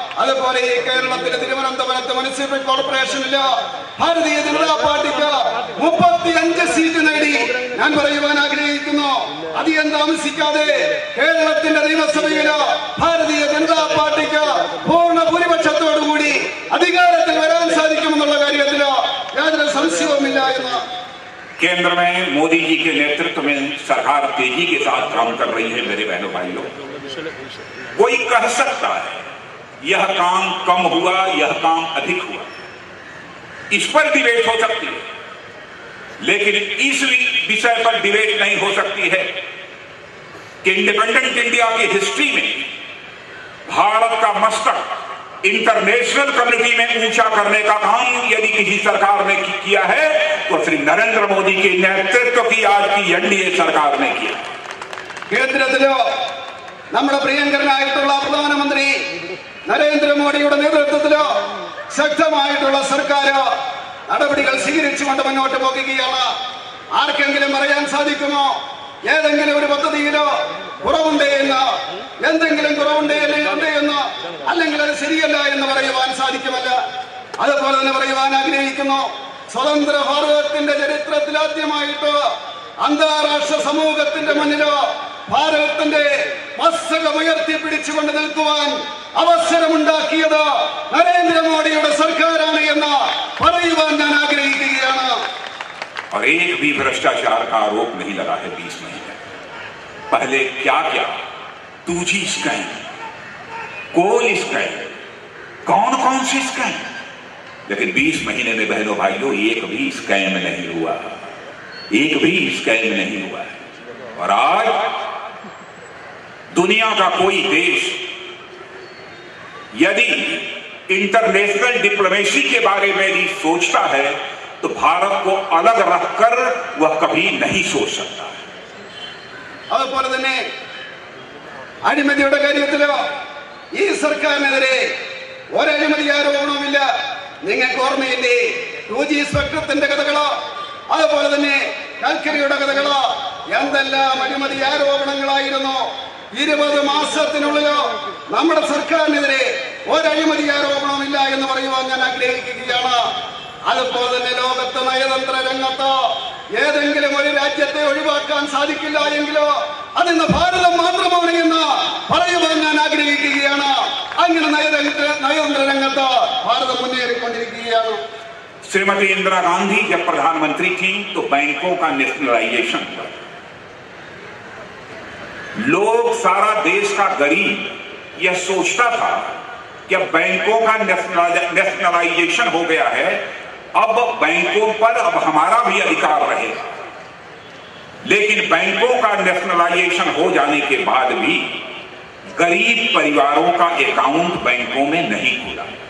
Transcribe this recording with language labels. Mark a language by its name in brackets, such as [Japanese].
[Malayalam] അതുപോലെ ഈ കേരളത്തിലെ തിരുവനന്തപുരത്ത് മുനിസിപ്പൽ കോർപ്പറേഷനില് ഭാരതീയ ജനതാ പാർട്ടിക്ക് 35 സീറ്റ് നേടി. ഞാൻ പറയുവാൻ ആഗ്രഹിക്കുന്നു, അധികം താമസിക്കാതെ കേരളത്തിന്റെ നിയമസഭയില് ഭാരതീയ ജനതാ പാർട്ടിക്ക് പൂർണ്ണ ഭൂരിപക്ഷത്തോടുകൂടി അധികാരത്തിൽ വരാൻ സാധിക്കുമെന്നുള്ള കാര്യത്തില് യാതൊരു സംശയവുമില്ല എന്ന്. [Hindi] केंद्र में मोदी जी के नेतृत्व में सरकार तेजी के साथ काम कर रही है। मेरे बहनों भाइयों, कोई कह सकता है यह काम कम हुआ, यह काम अधिक हुआ, इस पर डिबेट हो सकती है, लेकिन इस विषय पर डिबेट नहीं हो सकती है कि इंडिपेंडेंट इंडिया की हिस्ट्री में भारत का मस्तक इंटरनेशनल कम्युनिटी में ऊंचा करने का काम यदि किसी सरकार ने किया है तो श्री नरेंद्र मोदी के नेतृत्व की आज की एनडीए सरकार ने किया। [Malayalam] केंद्र നമ്മുടെ പ്രിയങ്കരനായിട്ടുള്ള പ്രധാനമന്ത്രി നരേന്ദ്രമോദിയുടെ നേതൃത്വത്തില് ശക്തമായിട്ടുള്ള സർക്കാർ നടപടികൾ സ്വീകരിച്ചുകൊണ്ട് മുന്നോട്ട് പോകുകയാണ്. ആർക്കെങ്കിലും പറയാൻ സാധിക്കുമോ ഏതെങ്കിലും ഒരു പദ്ധതിയിലോ കുറവുണ്ട് എന്ന്, എന്തെങ്കിലും കുറവുണ്ട് അല്ലെങ്കിൽ എന്ന്, അല്ലെങ്കിൽ അത് ശരിയല്ല എന്ന് പറയുവാൻ സാധിക്കുമല്ല. അതുപോലെ തന്നെ പറയുവാൻ ആഗ്രഹിക്കുന്നു, സ്വതന്ത്ര ഭാരതത്തിന്റെ ചരിത്രത്തിൽ ആദ്യമായിട്ട് അന്താരാഷ്ട്ര സമൂഹത്തിന്റെ മുന്നിലോ ഭാരതത്തിന്റെ മസ്തകം ഉയർത്തി പിടിച്ചുകൊണ്ട് നിൽക്കുവാൻ അവസരമുണ്ടാക്കിയത് നരേന്ദ്രമോദിയുടെ സർക്കാരാണ് എന്ന് പറയുവാൻ ഞാൻ ആഗ്രഹിക്കുകയാണ്. [Hindi] और एक भी भ्रष्टाचार का आरोप नहीं लगा है 20 महीने पहले। क्या क्या तूजी स्कैम, कोल स्कैम, कौन कौन सी स्कैम, लेकिन 20 महीने में बहनों भाइयों एक भी स्कैम नहीं हुआ, एक भी स्कैम नहीं हुआ है। और आज दुनिया का कोई देश यदि इंटरनेशनल डिप्लोमेसी के बारे में भी सोचता है तो भारत को अलग रखकर वह कभी नहीं सोच सकता है। [Malayalam] അതുപോലെ തന്നെ അഴിമതിയുടെ കാര്യത്തിലോ ഈ സർക്കാരിനെതിരെ ഒരഴിമതി ആരോപണവുമില്ല. നിങ്ങൾക്ക് ഓർമ്മയില്ലേ 2G സ്പെക്ട്രത്തിന്റെ കഥകളോ അതുപോലെ തന്നെ കൽക്കരിയുടെ കഥകളോ എന്തെല്ലാം അഴിമതി ആരോപണങ്ങളായിരുന്നു. 20 മാസത്തിനുള്ളിലോ നമ്മുടെ സർക്കാരിനെതിരെ ഒരഴിമതി ആരോപണവുമില്ല എന്ന് പറയുവാൻ ഞാൻ ആഗ്രഹിക്കുകയാണ്. അതുപോലെ തന്നെ ലോകത്ത് നയതന്ത്ര രംഗത്ത് ഏതെങ്കിലും ഒരു രാജ്യത്തെ ഒഴിവാക്കാൻ സാധിക്കില്ല എങ്കിലോ അതിന്ന് ഭാരതം മാത്രമാണ് എന്ന് പറയുവാൻ ഞാൻ ആഗ്രഹിക്കുകയാണ്. അങ്ങനെ നയതന്ത്ര രംഗത്ത് ഭാരതം മുന്നേറിക്കൊണ്ടിരിക്കുകയാണ്. [Hindi] ശ്രീമതി ഇന്ദിരാ ഗാന്ധി ജ പ്രധാനമന്ത്രി തീ തോ ബാങ്കോ കാ നാഷണലൈസേഷൻ. लोग सारा देश का गरीब यह सोचता था कि अब बैंकों का नेशनलाइजेशन हो गया है, अब बैंकों पर अब हमारा भी अधिकार रहेगा। लेकिन बैंकों का नेशनलाइजेशन हो जाने के बाद भी गरीब परिवारों का अकाउंट बैंकों में नहीं खुला,